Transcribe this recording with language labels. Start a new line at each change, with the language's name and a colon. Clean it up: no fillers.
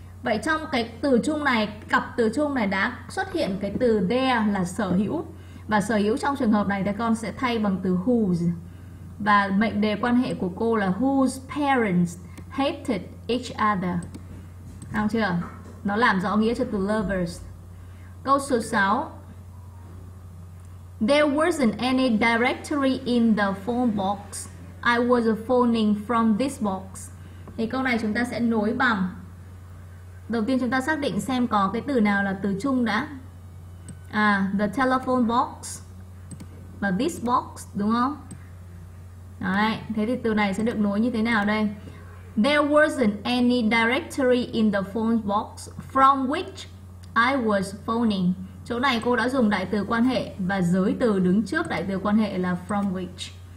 Vietnamese: Vậy trong cái từ chung này, cặp từ chung này đã xuất hiện cái từ there là sở hữu. Và sở hữu trong trường hợp này thì con sẽ thay bằng từ whose. Và mệnh đề quan hệ của cô là
English: whose parents hated each other.
Vietnamese: Không chưa? Nó làm rõ nghĩa cho từ lovers. Câu số 6.
English: There wasn't any directory in the phone box. I was phoning from this box.
Vietnamese: Thì câu này chúng ta sẽ nối bằng. Đầu tiên chúng ta xác định xem có cái từ nào là từ chung đã.
English: À, the telephone box và this box,
Vietnamese: đúng không? Đấy, thế thì từ này sẽ được nối như thế nào đây?
English: There wasn't any directory in the phone box from which I was phoning.
Vietnamese: Chỗ này cô đã dùng đại từ quan hệ và giới từ đứng trước đại từ quan hệ là from which.